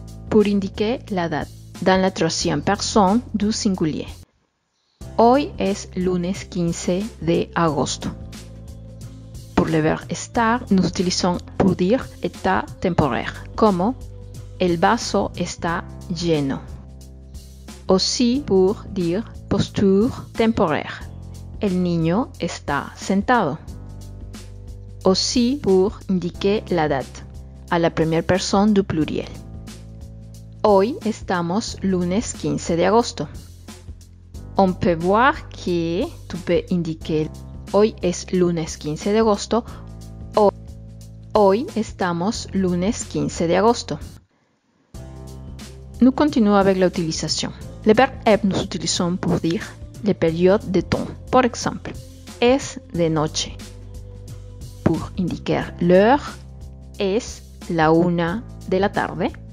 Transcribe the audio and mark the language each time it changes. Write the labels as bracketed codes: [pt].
[fr] Pour indiquer la date, dans la troisième personne du singulier, [es] hoy es lunes 15 de agosto. [fr] Pour le verbe estar, nous utilisons pour dire état temporaire, comme [es] el vaso está lleno. [fr] Aussi pour dire posture temporaire, [es] el niño está sentado. [fr] Aussi pour indiquer la date, à la première personne du pluriel. [es] Hoy estamos lunes 15 de agosto. [fr] On peut voir que tu peux indiquer [es] hoy es lunes 15 de agosto. Hoy estamos lunes 15 de agosto. [fr] Nous continuons avec la utilisation. Le verbe être nous utilisons pour dire la période de temps. [es] Por ejemplo, es de noche. [fr] Pour indiquer l'heure, [es] es la una de la tarde.